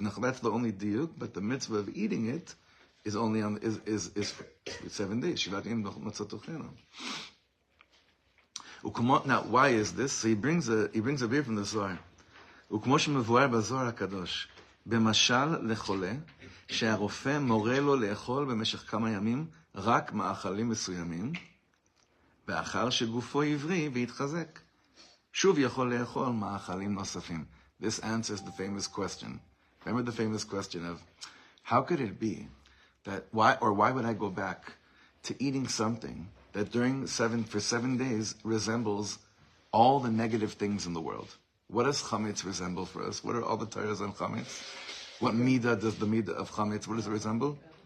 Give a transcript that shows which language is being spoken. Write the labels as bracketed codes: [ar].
[en] Now that's the only diyuk, but the mitzvah of eating it is only on is 7 days. [he] Shivat yamim tochal matzot tochenu. [en] Now, why is this? So he brings a beer from the Zohar. [he] וכמו שמבואר בזוהר הקדוש, במשל לחולה, שהרופא מורה לו לאכול במשך כמה ימים רק מאכלים מסוימים, ואחר שגופו עברי והתחזק, שוב יכול לאכול מאכלים נוספים. [en] This answers the famous question. Remember the famous question of, how could it be that, why would I go back to eating something that during seven days resembles all the negative things in the world? What does chametz resemble for us? What are all the tires on chametz? What midah does the midah of chametz, what does it resemble?